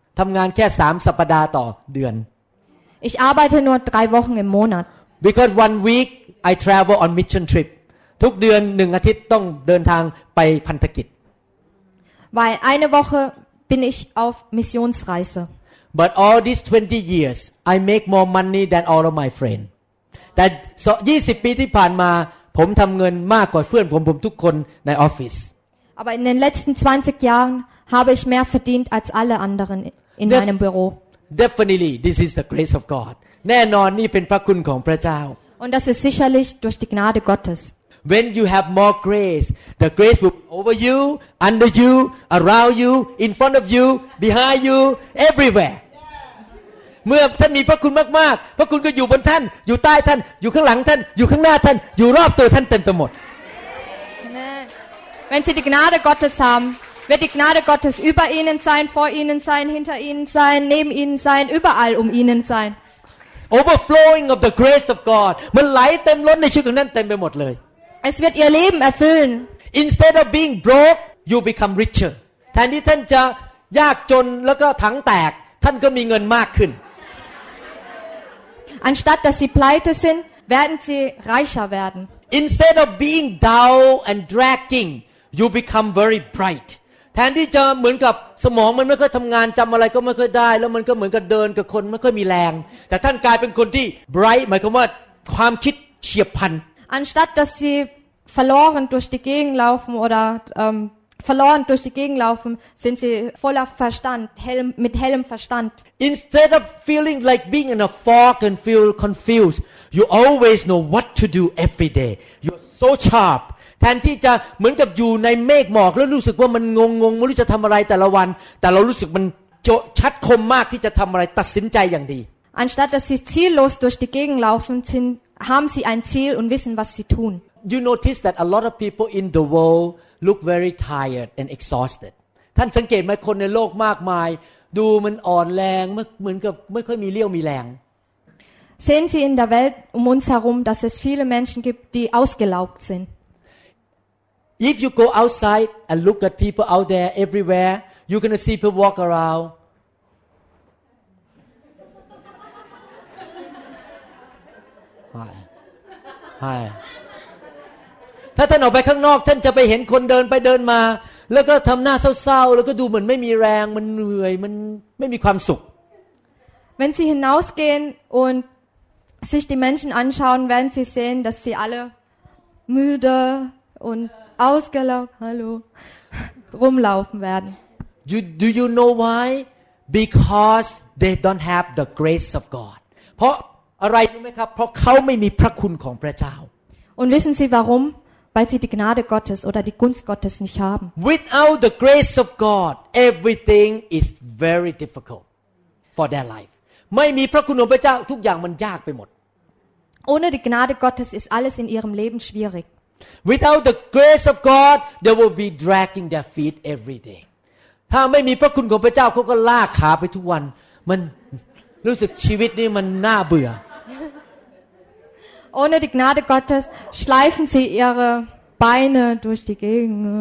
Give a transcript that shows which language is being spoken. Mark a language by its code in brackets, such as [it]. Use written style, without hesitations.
[th] ทำงานแค่3สัปดาห์ต่อเดือน [de] Ich arbeite nur 3 Wochen im Monat. [en] Because 1 week I travel on mission trip. [th] ทุกเดือน1อาทิตย์ต้องเดินทางไปพันธกิจ [de] Weil eine Woche bin ich auf Missionsreise. [en] But all these 20 years I make more money than all of my friends. [th] แต่20ปีที่ผ่านมาผมทำเงินมากกว่าเพื่อนผมทุกคนในออฟฟิศ [de] Aber in den letzten 20 Jahren habe ich mehr verdient als alle anderen in meinem Büro. [en] Definitely this is the grace of God. [th] แน่นอนนี่เป็นพระคุณของพระเจ้า [de] Und das ist sicherlich durch die Gnade Gottes. [en] When you have more grace, the grace will be over you, under you, around you, in front of you, behind you, everywhere [th] เมื่อท่านมีพระคุณมากๆพระคุณก็อยู่บนท่านอยู่ใต้ท่านอยู่ข้างหลังท่านอยู่ข้างหน้าท่านอยู่รอบตัวท่านเต็มไปหมด [de] Wenn Sie die Gnade Gottes haben, wird die Gnade Gottes über Ihnen sein, vor Ihnen sein, hinter Ihnen sein, neben Ihnen sein, überall um Ihnen sein. [en] Overflowing of the grace of God. [th] มันไหลเต็มล้นในชีวิตของท่านเต็มไปหมดเลย [de] Es wird Ihr Leben erfüllen. [en] Instead of being broke, you become richer. [th] แทนที่ท่านจะยากจนแล้วก็ถังแตกท่านก็มีเงินมากขึ้น [de] Anstatt dass sie pleite sind, werden sie reicher werden. [en] Instead of being dull and dragging, you become very bright. [th] แทนที่จะเหมือนกับสมองมันไม่ค่อยทำงานจำอะไรก็ไม่ค่อยได้แล้วมันก็เหมือนกับเดินกับคนไม่ค่อยมีแรงแต่ท่านกลายเป็นคนที่ bright หมายความว่าความคิดเฉียบพลัน [de] Anstatt dass sie verloren durch die Gegend laufen oder verloren durch die Gegend laufen, sind sie voller Verstand, mit hellem Verstand. [en] Instead of feeling like being in a fog and feel confused, you always know what to do every day. You're so sharp. [th] แทนที่จะเหมือนกับอยู่ในเมฆหมอกแล้วรู้สึกว่ามันงงไม่รู้จะทำอะไรแต่ละวันแต่เรารู้สึกมันชัดคมมากที่จะทำอะไรตัดสินใจอย่างดี [de] Anstatt dass sie ziellos durch die Gegend laufen, haben sie ein Ziel und wissen, was sie tun. [en] You notice that a lot of people in the worldlook very tired and exhausted [th] ท่านสังเกตมั้ยคนในโลกมากมายดูมันอ่อนแรงเหมือนกับไม่ค่อยมีเรี่ยวมีแรง [de] Sehen Sie in der Welt um uns herum, dass es viele Menschen gibt, die ausgelaugt sind. [en] If you go outside and look at people out there everywhere, you're going to see people walk around. Hi. [th] ถ้าท่านออกไปข้างนอกท่านจะไปเห็นคนเดินไปเดินมาแล้วก็ทำหน้าเศร้าๆแล้วก็ดูเหมือนไม่มีแรงมันเหนื่อยมันไม่มีความสุข [de] Wenn Sie hinausgehen und sich die Menschen anschauen, werden Sie sehen, dass sie alle müde und ausgelaugt rumlaufen werden. [en] Do you know why? Because they don't have the grace of God. [th] เพราะอะไรรู้ไหมครับเพราะเขาไม่มีพระคุณของพระเจ้า [de] Und wissen Sie warum? Weil sie die Gnade Gottes oder die Gunst Gottes nicht haben. [en] Without the grace of God, everything is very difficult for their life. [th] ไม่มีพระคุณของพระเจ้าทุกอย่างมันยากไปหมด [de] Ohne die Gnade Gottes ist alles in ihrem Leben schwierig. [en] Without the grace of God, they will be dragging their feet every day. [th] ถ้าไม่มีพระคุณของพระเจ้าเขาก็ลากขาไปทุกวันมันรู้สึกชีวิตนี้มันน่าเบื่อ [de] Ohne die Gnade Gottes schleifen sie ihre Beine durch die Gegend.